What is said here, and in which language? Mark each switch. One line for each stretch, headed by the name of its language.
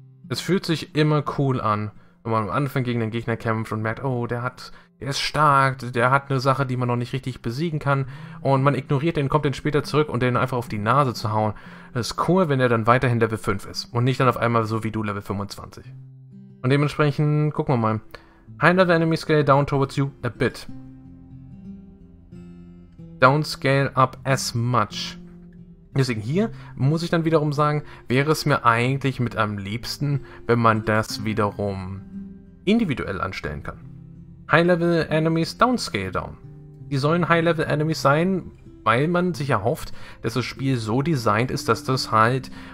German: Es fühlt sich immer cool an, wenn man am Anfang gegen den Gegner kämpft und merkt, oh, der ist stark, der hat eine Sache, die man noch nicht richtig besiegen kann. Und man ignoriert den, kommt den später zurück und den einfach auf die Nase zu hauen. Das ist cool, wenn er dann weiterhin Level 5 ist. Und nicht dann auf einmal so wie du Level 25. Und dementsprechend, gucken wir mal.
English: High level enemy scale down towards you a bit. Don't scale up as much.
German: Deswegen hier muss ich dann wiederum sagen, wäre es mir eigentlich mit am liebsten, wenn man das wiederum individuell anstellen kann.
English: High-Level-Enemies downscale down.
German: Die sollen High-Level-Enemies sein, weil man sich erhofft, dass das Spiel so designt ist, dass das halt